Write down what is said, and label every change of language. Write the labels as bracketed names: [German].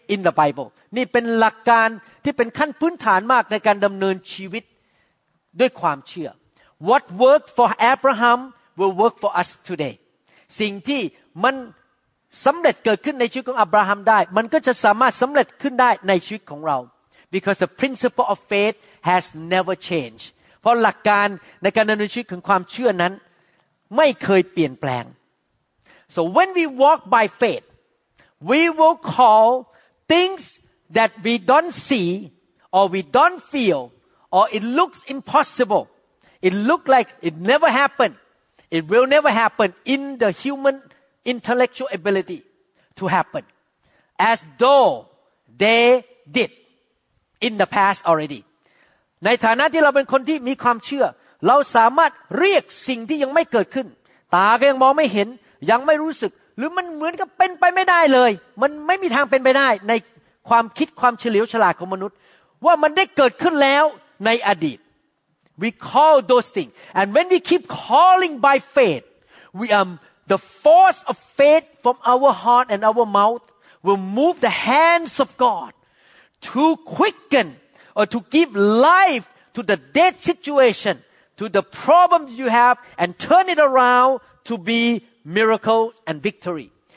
[English] In the Bible, [Thai] นี่เป็นหลักการที่เป็นขั้นพื้นฐานมากในการดำเนินชีวิตด้วยความเชื่อ [English] What worked for Abraham will work for us today. [Thai] สิ่งที่มันสำเร็จเกิดขึ้นในชีวิตของอับราฮัมได้มันก็จะสามารถสำเร็จขึ้นได้ในชีวิตของเรา [English] because the principle of faith has never changed. [Thai] เพราะหลักการในการดำเนินชีวิตของความเชื่อนั้นไม่เคยเปลี่ยนแปลง [English] So when we walk by faith, we will call things that we don't see or we don't feel or it looks impossible. It looks like it never happened. It will never happen in the human intellectual ability to happen. As though they did in the past already. [Thai] ในฐานะที่เราเป็นคนที่มีความเชื่อเราสามารถเรียกสิ่งที่ยังไม่เกิดขึ้นตาก็ยังมองไม่เห็นยังไม่รู้สึกหรือมันเหมือนกับเป็นไปไม่ได้เลยมันไม่มีทางเป็นไปได้ใน ความคิดความเฉลียวฉลาดของมนุษย์ว่ามันได้เกิดขึ้นแล้วในอดีต [English] We call those things and when we keep calling by faith we are the force of faith from our heart and our mouth will move the hands of God to quicken or to give life to the dead situation to the problem you have and turn it around to beMiracle and victory.